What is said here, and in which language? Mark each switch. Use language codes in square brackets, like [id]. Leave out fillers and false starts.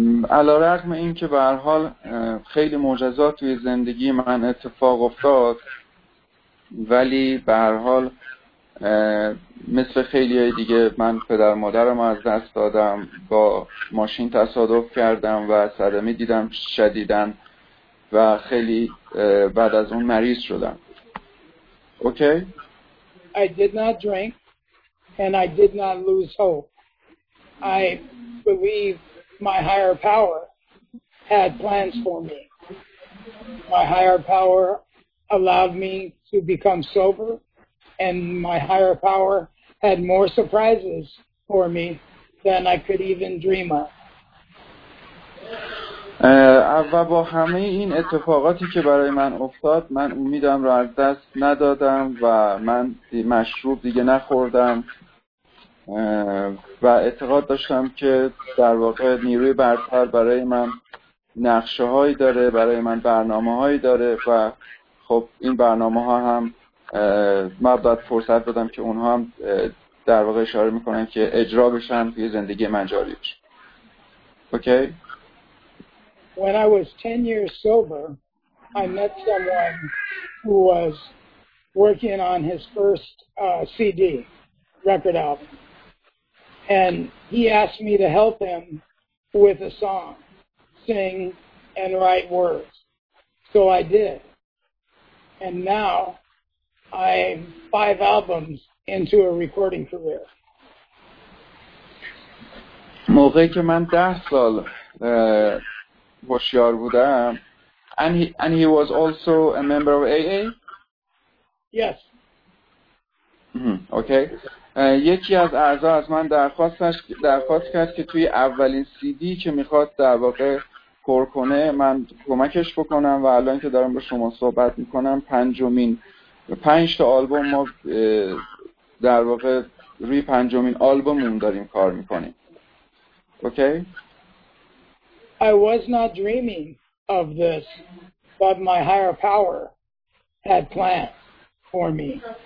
[fa] علی‌رغم اینکه به هر حال خیلی معجزات توی زندگی من اتفاق افتاد، ولی به هر حال مثل خیلی های دیگه من پدر مادرم از دست دادم، با ماشین تصادف کردم و صدمه دیدم شدیداً و خیلی بعد از اون مریض شدم. اوکی؟ [en] I did not drink and I did not lose hope. I believe my higher power had plans for me. My higher power allowed me to become sober, and my higher power had more surprises for me than I could even dream of. [fa] و با همه این اتفاقاتی که برای من افتاد، من امیدم را از دست ندادم و من مشروب دیگه نخوردم و اعتقاد داشتم که در واقع نیروی برتر برای من نقشه هایی داره، برای من برنامه هایی داره و خب این برنامه ها هم مبدأ فرصت دادم که اونها هم در واقع اشاره میکنن که اجرا بشن توی زندگی من جاری بشن. اوکی؟ [en] When I was 10 years sober, I met someone who was working on his first CD, record album. And he asked me to help him with a song, sing and write words. So I did. And now I'm 5 albums into a recording career. [fa] موقعی که من 10 سال هوشیار بودم، [en] and he was also a member of AA. Yes. Okay. [fa] یکی از اعضا از من درخواست کرد که توی اولین سی دی که میخواد در واقع پر کنه من کمکش بکنم و الان که دارم با شما صحبت میکنم پنج تا آلبوم ما در واقع روی پنجمین آلبوممون داریم کار میکنیم. اوکی؟ [en] I was not dreaming of this, but my higher power had plans for me.